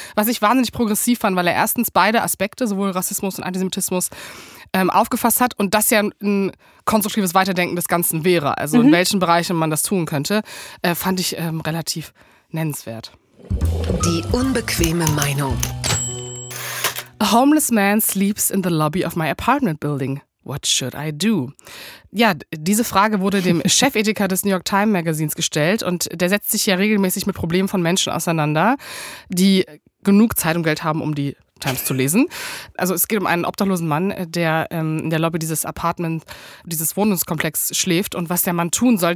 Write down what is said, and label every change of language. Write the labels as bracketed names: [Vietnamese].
[German] Was ich wahnsinnig progressiv fand, weil er erstens beide Aspekte, sowohl Rassismus und Antisemitismus, aufgefasst hat und das ja ein konstruktives Weiterdenken des Ganzen wäre. Also in welchen Bereichen man das tun könnte, fand ich relativ nennenswert. Die unbequeme Meinung. [English] A homeless man sleeps in the lobby of my apartment building. What should I do? [German] Ja, diese Frage wurde dem Chefethiker des New York Times Magazins gestellt und der setzt sich ja regelmäßig mit Problemen von Menschen auseinander, die genug Zeit und Geld haben, um die Times zu lesen. Also es geht um einen obdachlosen Mann, der in der Lobby dieses Apartment, dieses Wohnungskomplex schläft und was der Mann tun soll.